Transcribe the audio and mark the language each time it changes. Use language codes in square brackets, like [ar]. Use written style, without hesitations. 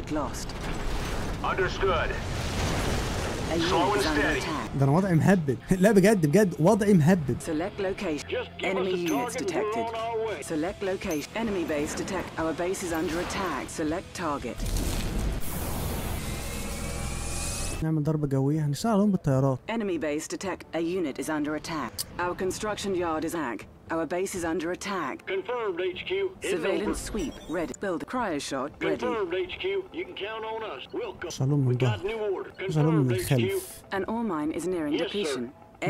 [en] unit lost. Understood. Slow and steady. [ar] ده انا وضعي مهبد. لا بجد بجد وضعي مهبد. [en] Select location. Enemy units detected. Select location. Enemy base detect. Our base is under attack. Select target. [ar] نعمل ضربة جوية هنشتغل عليهم بالطيارات. [en] Enemy base detect. A unit is under attack. Our construction yard is ag. Our base is under attack. Confirmed HQ. Surveillance sweep. Ready. Build. Cryo shot. Ready. Confirmed HQ. You can count on us. Welcome. Shalom. We got new order. Confirmed HQ. An ore mine is nearing depletion. Yes,